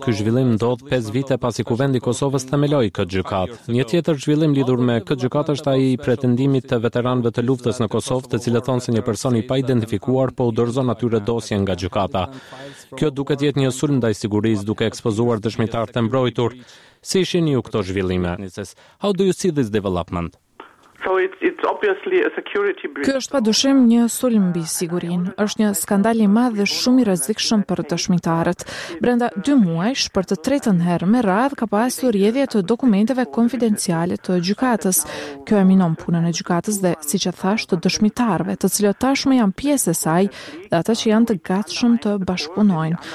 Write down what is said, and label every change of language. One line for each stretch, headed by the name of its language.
Albanian: Ky zhvillim ndodh 5 vite pasi kuvendi i Kosovës themeloi këtë gjykatë. Një tjetër zhvillim lidhur me këtë gjykatë është ai i pretendimit të veteranëve të luftës në Kosovë, të cilët thonë se një person i pa identifikuar po udhëzon atyre dosje nga gjykata. Kjo duket jetë një sulm ndaj sigurisë, duke ekspozuar dëshmitarë të mbrojtur. Si ishin ju këto zhvillime?
English: How do you see this development? So it's obviously a security breach.
Albanian: Ky është padyshim një sulm mbi sigurinë. Është një skandal i madh dhe shumë i rrezikshëm për dëshmitarët. Brenda 2 muajsh, për të tretën herë me radhë ka pasur rrjedhje të dokumenteve konfidenciale të gjykatës. Kjo e minon punën e gjykatës dhe, siç e thash, të dëshmitarëve, të cilët tashmë janë pjesë e saj dhe ata që janë të gatshëm të bashkëpunojnë.